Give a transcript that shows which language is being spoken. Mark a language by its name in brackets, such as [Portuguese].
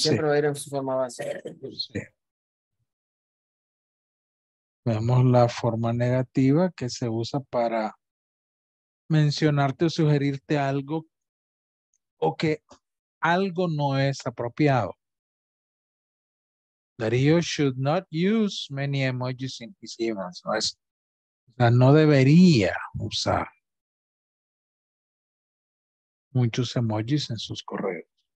[Spanish] Siempre va a ir en su forma básica. Sí. Vemos la forma negativa que se usa para mencionarte o sugerirte algo o que algo no es apropiado. [English] Darío should not use many emojis in his emails, [Spanish] ¿no es? O sea, no debería usar muchos emojis en sus correos.